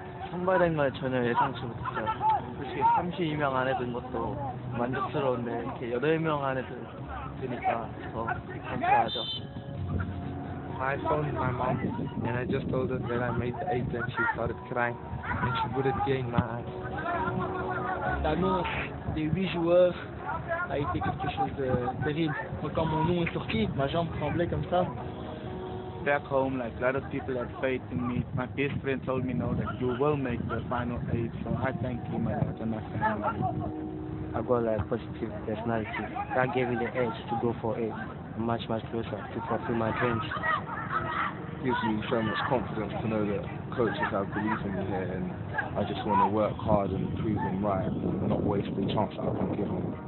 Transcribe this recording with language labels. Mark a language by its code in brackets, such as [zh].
[ko] 선발된 건 전혀 예상치 못했죠. 솔직히 32명 안에 든 것도 만족스러운데 이렇게 8명 안에 드니까 더 감사하죠. [en] I phoned my mom and I just told her that I made the 8th and she started crying and she put a tear in my eyes. [fr] D'abord, des 8 joueurs a été quelque chose de terrible. Moi, quand mon nom est sorti, ma jambe tremblait comme ça. [en] Back home, like a lot of people had faith in me. My best friend told me now that you will make the final 8, so I thank him and my family. I got like a positive personality. That gave me the edge to go for 8. Much, much closer to fulfill my dreams. Gives me so much confidence to know that coaches have belief in me here, and I just want to work hard and prove them right, and not waste the chance that I've been given.